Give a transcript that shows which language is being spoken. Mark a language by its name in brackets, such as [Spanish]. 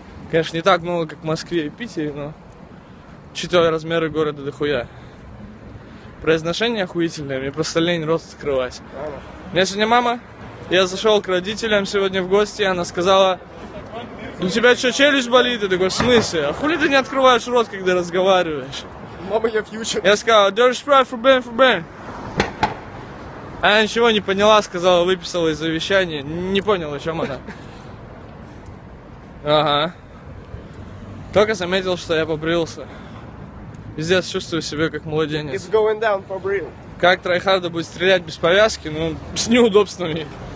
[Russian] Конечно, не так много, как в Москве и Питере, но... Учитывая размеры города, дохуя. Произношение охуительное, мне просто лень рот открывать. У меня сегодня мама, я зашел к родителям сегодня в гости, и она сказала: у тебя что, челюсть болит? Я такой: в смысле? А хули ты не открываешь рот, когда разговариваешь? Мама, я фьючер. Я сказал: [English] Dirty Sprite for Ben, for Ben. [Russian] Она ничего не поняла, сказала, выписала из завещания. Не понял, о чем она. Ага. Только заметил, что я побрился. Пиздец, чувствую себя как младенец. [English] It's going down for real. [Russian] Как трайхарда будет стрелять без повязки, ну, с неудобствами.